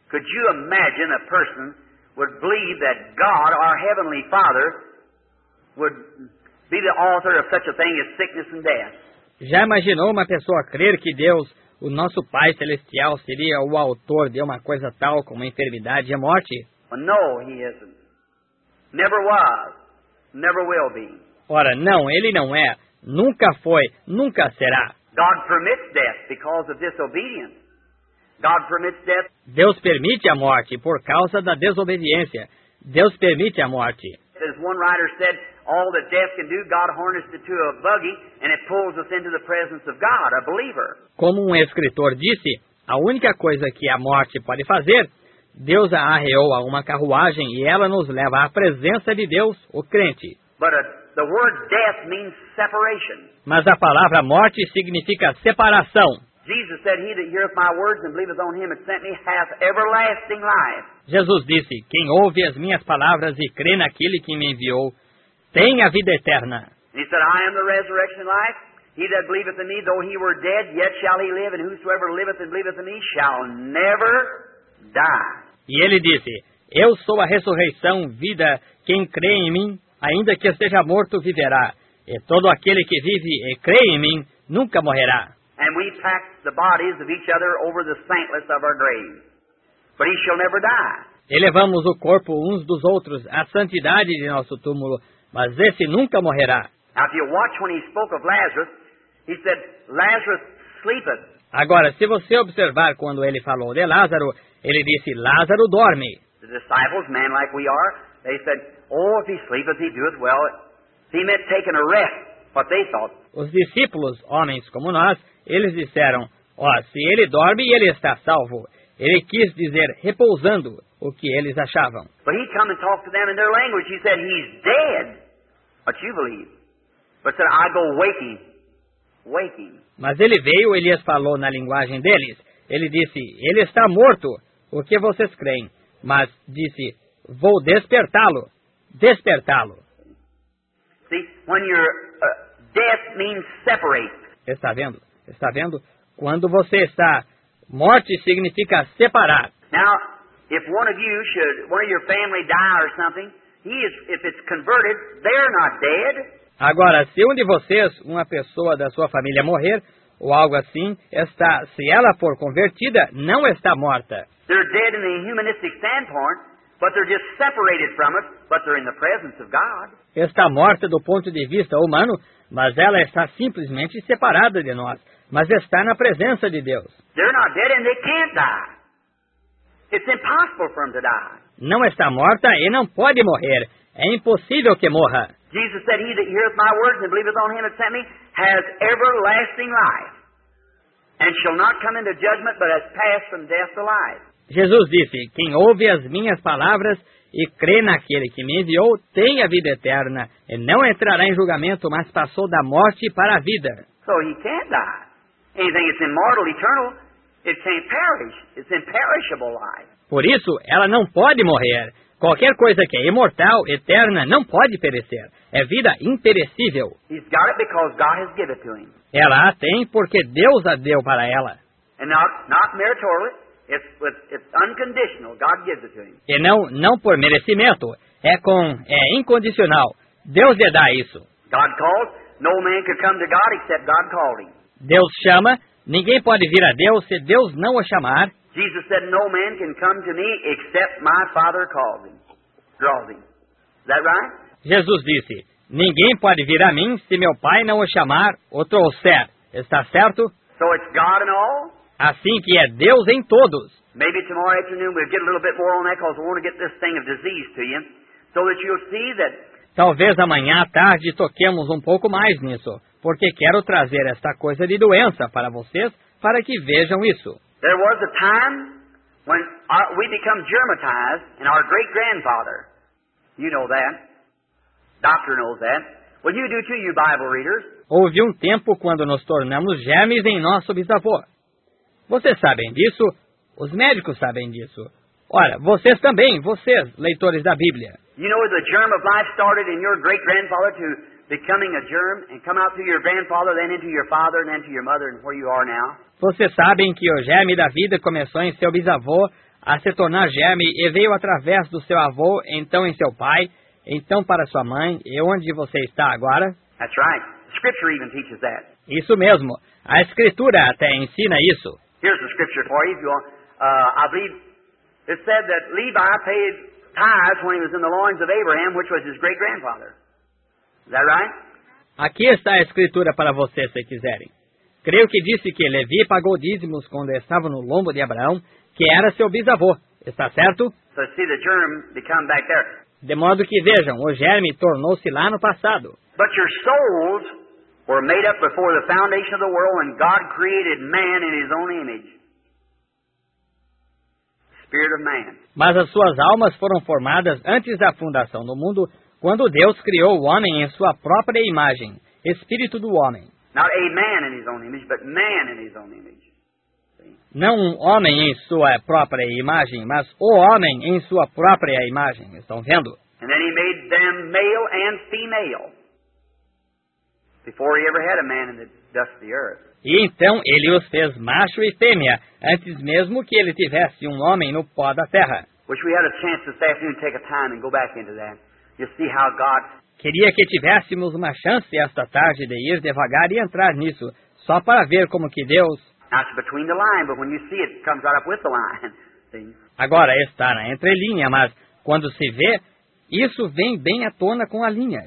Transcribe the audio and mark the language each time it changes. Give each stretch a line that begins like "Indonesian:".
English: Could you imagine a person would believe that God, our Heavenly Father, would be the author of such a thing as sickness and death?
Portuguese: Já imaginou uma pessoa crer que Deus, o nosso Pai Celestial, seria o autor de uma coisa tal como a enfermidade e a morte?
English: Well, no, he isn't. Never was. Never will be.
Portuguese: Ora, não, ele não é. Nunca foi. Nunca será.
English: God permits death because of disobedience. God permits death.
Portuguese: Deus permite a morte por causa da desobediência. Deus permite a morte.
English: As one writer said, all that death can do, God harnessed it to a buggy and it pulls us into the presence of God, a believer.
Portuguese: Como um escritor disse, a única coisa que a morte pode fazer, Deus a arreou a uma carruagem e ela nos leva à presença de Deus, o crente.
English: But the word death means separation.
Portuguese: Mas a palavra morte significa separação.
English: Jesus said, he that heareth my words and believeth on him that sent me hath everlasting life.
Portuguese: Jesus disse, quem ouve as minhas palavras e crê naquele que me enviou, tem a vida eterna.
English: He said, I am the resurrection and life. He that believeth in me, though he were dead, yet shall he live, and whosoever liveth and believeth in me shall never die.
Portuguese: E ele disse, eu sou a ressurreição, vida, quem crê em mim, ainda que esteja morto, viverá. E todo aquele que vive e crê em mim, nunca morrerá.
English: And we pack the bodies of each other over the saintless of our grave. But he shall never die.
Portuguese: Elevamos o corpo uns dos outros à santidade de nosso túmulo, mas esse nunca morrerá.
English: Now, if you watch when he spoke of Lazarus, he said, Lazarus sleepeth.
Portuguese: Agora, se você observar quando ele falou de Lázaro, ele disse, Lázaro dorme.
English: The disciples, man like we are, they said, oh, if he sleepeth, he doeth well. He meant taking a rest. What they thought.
Portuguese: Os discípulos, homens como nós, eles disseram, ó, se ele dorme, ele está salvo. Ele quis dizer, repousando, o que eles achavam.
English: But he came and talked to them in their language. He said, he's dead. What you believe. But said, I go waking. Waking.
Portuguese: Mas ele veio e lhes falou na linguagem deles. Ele disse, ele está morto. O que vocês creem? Mas disse, vou despertá-lo. Despertá-lo.
English: See, when you're death means separate.
Portuguese: Está vendo? Está vendo? Quando você está, morte significa separar.
English: Now, if one of you should, one of your family die or something, he is, if it's converted, they're not dead.
Portuguese: Agora, se um de vocês, uma pessoa da sua família morrer, ou algo assim, está, se ela for convertida, não está morta.
English: They're dead in the humanistic standpoint, but they're just separated from us, but they're in the presence of God.
Portuguese: Está morta do ponto de vista humano, mas ela está simplesmente separada de nós, mas está na presença de Deus.
English: They're not dead and they can't die. It's impossible for them to die.
Portuguese: Não está morta e não pode morrer. É impossível que morra.
English: Jesus said, he that heareth my words and believeth on him that sent me has everlasting life, and shall not come into judgment, but has passed from death to life.
Portuguese: Jesus disse, quem ouve as minhas palavras e crê naquele que me enviou, tem a vida eterna, e não entrará em julgamento, mas passou da morte para a vida.
English: So he can't die. Anything that's immortal, eternal, it can't perish. It's imperishable life.
Portuguese: Por isso, ela não pode morrer. Qualquer coisa que é imortal, eterna, não pode perecer. É vida imperecível.
English: He's got it because God has given it to him.
Portuguese: Ela a tem porque Deus a deu para ela.
English: And not meritorious. It's unconditional. God gives it to him.
Portuguese: E não por merecimento, é incondicional. Deus lhe dá isso.
English: God calls. No man could come to God except God called him.
Portuguese: Deus chama. Ninguém pode vir a Deus se Deus não o chamar.
English: Jesus said, no man can come to me except my Father calls him. Draws him. Is that right?
Portuguese: Jesus disse, ninguém pode vir a mim se meu Pai não o chamar ou trouxer. Está certo?
English: So it's God and all?
Portuguese: Assim que é Deus em todos.
English: Maybe tomorrow afternoon we'll get a little bit more on that because we want to get this thing of disease to you. So that you'll see that.
Portuguese: Talvez amanhã à tarde toquemos um pouco mais nisso, porque quero trazer esta coisa de doença para vocês, para que vejam isso.
English: There was a time when we become germatized and our great-grandfather, you know that, doctor knows that. Well, you do too, you Bible readers.
Portuguese: Houve um tempo quando nos tornamos germes em nosso bisavô. Vocês sabem disso? Os médicos sabem disso. Ora, vocês também, vocês, leitores da Bíblia.
English: You know the germ of life started in your great-grandfather to becoming a germ and come out to your grandfather, then into your father, and then to your mother, and where you are now?
Portuguese: Vocês sabem que o germe da vida começou em seu bisavô a se tornar germe e veio através do seu avô, então em seu pai, então para sua mãe, e onde você está agora?
English: That's right. Scripture even teaches that.
Portuguese: Isso mesmo. A Escritura até ensina isso.
English: Here's the scripture for you. If you want. I believe it said that Levi paid tithes when he was in the loins of Abraham, which was his great-grandfather. Is that right?
Portuguese: Aqui está a Escritura para você, se quiserem. Creio que disse que Levi pagou dízimos quando estava no lombo de Abraão, que era seu bisavô. Está certo?
English: So see the germ become back there.
Portuguese: De modo que vejam, o germe tornou-se lá no passado.
English: But your souls were made up before the foundation of the world when God created man in his own image. Spirit of man.
Portuguese: Mas as suas almas foram formadas antes da fundação do mundo, quando Deus criou o homem em sua própria imagem, espírito do homem.
English: Not a man in his own image, but man in his own image.
Portuguese: Não um homem em sua própria imagem, mas o homem em sua própria imagem. Estão vendo?
English: And then he made them male and female. Before he ever had a man in the dust of the earth.
Portuguese: E então ele os fez macho e fêmea, antes mesmo que ele tivesse um homem no pó da terra.
English: Wish we had a chance this afternoon to take a time and go back into that. You see how God.
Portuguese: Queria que tivéssemos uma chance esta tarde de ir devagar e entrar nisso, só para ver como que Deus.
English: That's between the line, but when you see it, it comes right up with the line. See?
Portuguese: Agora está na entrelinha, mas quando se vê, isso vem bem à tona com a linha.